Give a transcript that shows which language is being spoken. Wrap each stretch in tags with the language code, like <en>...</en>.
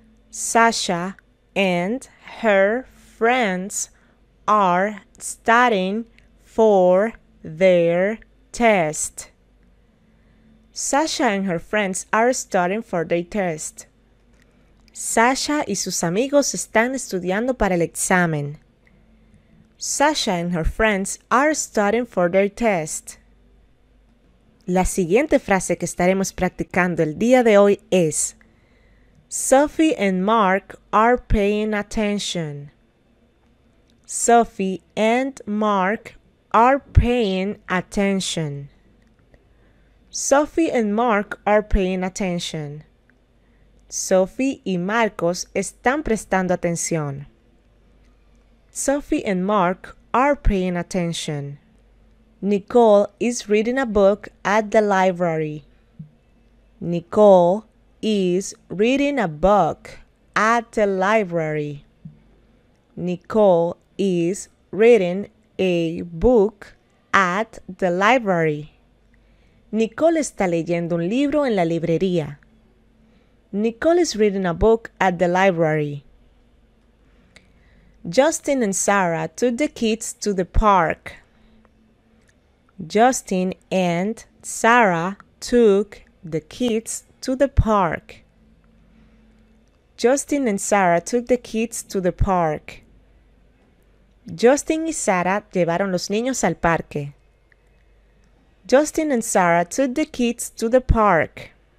<en>Sasha and her friends are studying for their test. Sasha and her friends are studying for their test.</en> <es>Sasha y sus amigos están estudiando para el examen.</es> <en>Sasha and her friends are studying for their test.</en> <es>La siguiente frase que estaremos practicando el día de hoy es:</es> <en>Sophie and Mark are paying attention. Sophie and Mark are paying attention. Sophie and Mark are paying attention.</en> <es>Sophie y Marcos están prestando atención.</es> <en>Sophie and Mark are paying attention. Nicole is reading a book at the library. Nicole is reading a book at the library. Nicole is reading a book at the library.</en> <es>Nicole está leyendo un libro en la librería.</es> <en>Nicole is reading a book at the library. Justin and Sarah took the kids to the park. Justin and Sarah took the kids to the park. Justin and Sarah took the kids to the park.</en> <es>Justin y Sarah llevaron los niños al parque.</es> <en>Justin and Sarah took the kids to the park.</en>